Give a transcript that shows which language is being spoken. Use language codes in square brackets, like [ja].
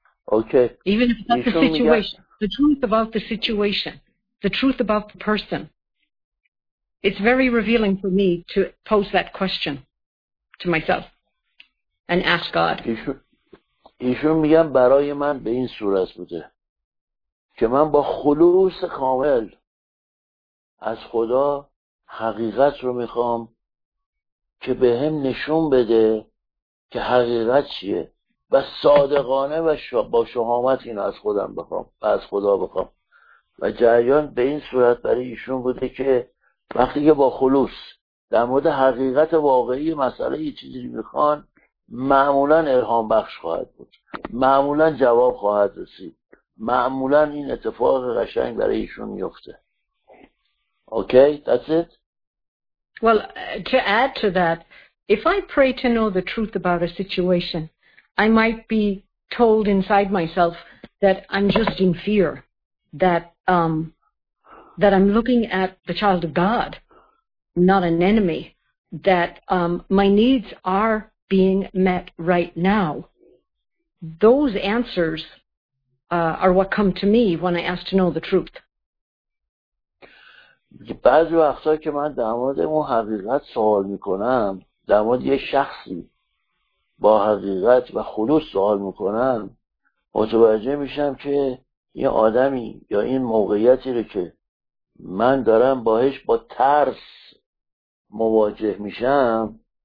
[en] Okay. Even if it's the situation, the truth about the situation, the truth about the person. It's very revealing for me to pose that question to myself and ask God. [fa] ایشون میگن برای من به این صورت بوده که من با خلوص کامل از خدا حقیقت رو میخوام که به هم نشون بده که حقیقت چیه، و صادقانه و با شهامت اینو از خودم بخوام و از خدا بخوام. و جریان به این صورت برای ایشون بوده که وقتی که با خلوص در مورد حقیقت واقعی مسئله یه چیزی میخوان، معمولا الهام بخش خواهد بود، معمولا جواب خواهد رسید، معمولا این اتفاق قشنگ برای ایشون میفته. [en] Okay, that's it. Well, to add to that, if I pray to know the truth about a situation, I might be told inside myself that I'm just in fear, that I'm looking at the child of God, not an enemy, that my needs are being met right now. Those answers are what come to me when I ask to know the truth. [fa] بعضی وقتا که من در مورد اون حقیقت سوال میکنم، در مورد یه شخصی با حقیقت و خلوص سوال میکنم، متوجه میشم که این آدمی یا این موقعیتی رو که من دارم باهش با ترس مواجه میشم،